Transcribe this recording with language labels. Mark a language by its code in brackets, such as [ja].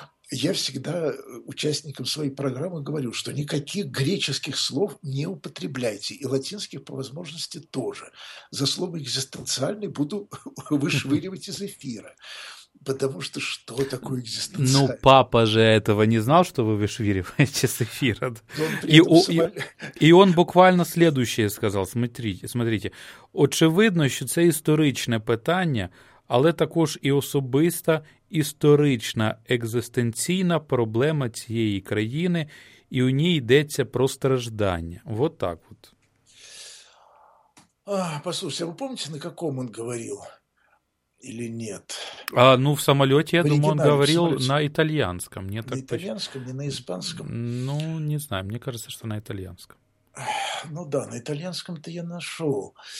[ru] Я всегда участникам своей программы говорю, что никаких греческих слов не употребляйте, и латинских по возможности тоже. За слово «экзистенциальный» буду вышвыривать из эфира. Потому что что такое экзистенциальность? Ну, папа же этого не знал, что вы вышвыриваете с эфира. И он буквально следующее сказал. Смотрите, очевидно, [uk] що це історичне питання, але також і особиста історична екзистенційна проблема цієї країни, і у ній йдеться про страждання. [ru] Вот так вот. Послушайте, а вы помните, на каком он говорил? Или нет? В самолете, я думаю, он говорил на итальянском. Не на итальянском, не на испанском? Ну, не знаю, мне кажется, что на итальянском. Ну да, на итальянском-то я нашел.